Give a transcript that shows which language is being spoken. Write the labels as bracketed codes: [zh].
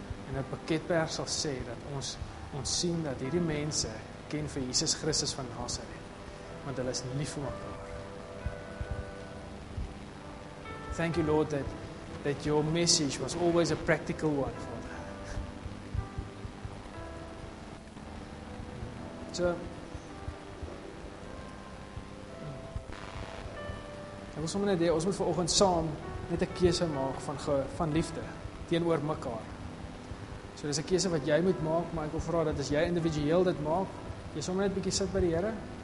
[af] En dat Beketberg sal sê dat ons sien dat hierdie mense ken vir Jesus Christus van Nasaret. Want hulle is lief vir mekaar. [en] Thank you, Lord, that your message was always a practical one, Father. [af] So, ek wil sommer net hê, ons moet vanoggend saam net 'n keuse maak van liefde teenoor mekaar. So, dis 'n keuse wat jy moet maak, maar ek wil vra dat as jy individueel dit maak, jy sommer net 'n bietjie sit by die Here.